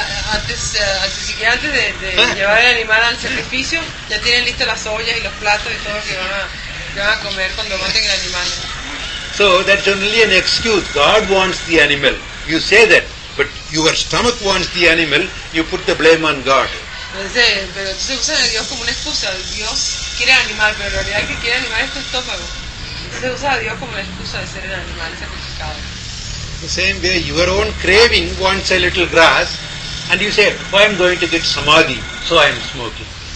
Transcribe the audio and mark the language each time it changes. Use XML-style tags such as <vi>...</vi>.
<es>Antes de llevar el animal al sacrificio, ya tienen listas las ollas y los platos y todo que van a comer cuando maten el animal.</es> <en>So that's only an excuse. God wants the animal. You say that, but your stomach wants the animal. You put the blame on God.</en> <es>Pero se usa a Dios como una excusa. Dios quiere el animal, pero en realidad que quiere animar es tu estómago. Se usa a Dios como la excusa de ser el animal sacrificado.</es> <en>The same way, your own craving wants a little grass, and you say, "Oh, I'm going to get samadhi, so I'm smoking."</en>